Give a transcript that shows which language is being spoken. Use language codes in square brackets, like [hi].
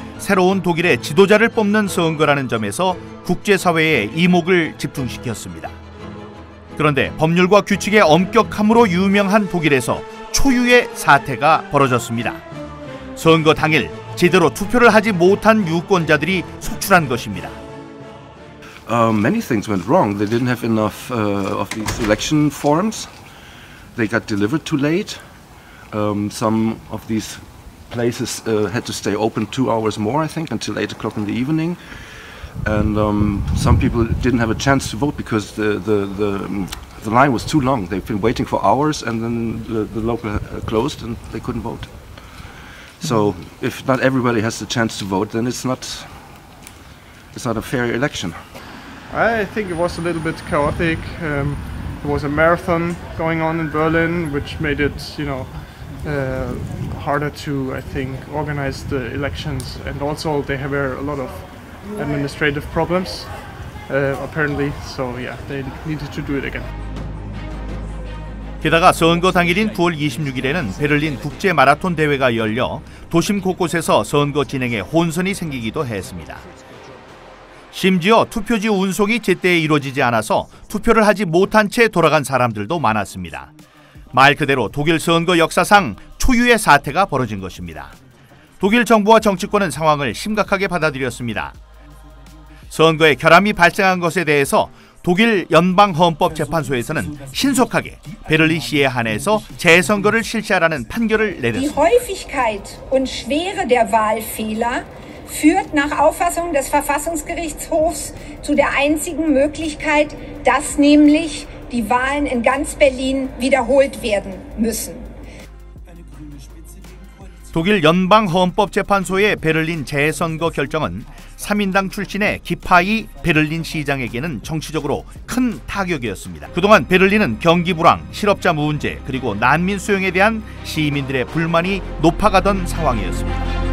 [ko] 새로운 독일의 지도자를 뽑는 선거라는 점에서 국제사회의 이목을 집중시켰습니다. 그런데 법률과 규칙의 엄격함으로 유명한 독일에서 초유의 사태가 벌어졌습니다. 선거 당일 제대로 투표를 하지 못한 유권자들이 속출한 것입니다. [en] Many things went wrong. They didn't have enough of these election forms. They got delivered too late. Some of these places had to stay open 2 hours more, I think, until 8 o'clock in the evening. And some people didn't have a chance to vote because the line was too long. They've been waiting for hours and then the local closed and they couldn't vote. So if not everybody has the chance to vote, then it's not a fair election. I think it was a little bit chaotic. There was a marathon going on in Berlin, which made it, you know, harder to, I think, organize the elections. And also they have a lot of administrative problems, apparently. So yeah, they needed to do it again. [ko] 게다가 선거 당일인 9월 26일에는 베를린 국제 마라톤 대회가 열려 도심 곳곳에서 선거 진행에 혼선이 생기기도 했습니다. 심지어 투표지 운송이 제때 이루어지지 않아서 투표를 하지 못한 채 돌아간 사람들도 많았습니다. 말 그대로 독일 선거 역사상 초유의 사태가 벌어진 것입니다. 독일 정부와 정치권은 상황을 심각하게 받아들였습니다. 선거에 결함이 발생한 것에 대해서 독일 연방헌법재판소에서는 신속하게 베를린 시에 한해서 재선거를 실시하라는 판결을 내렸습니다. [de] führt nach Auffassung des Verfassungsgerichtshofs zu der einzigen Möglichkeit, dass nämlich die Wahlen in ganz Berlin wiederholt werden müssen. [ko] 독일 연방헌법재판소의 베를린 재선거 결정은 3인당 출신의 기파이 베를린 시장에게는 정치적으로 큰 타격이었습니다. 그동안 베를린은 경기 불황, 실업자 문제, 그리고 난민 수용에 대한 시민들의 불만이 높아가던 상황이었습니다.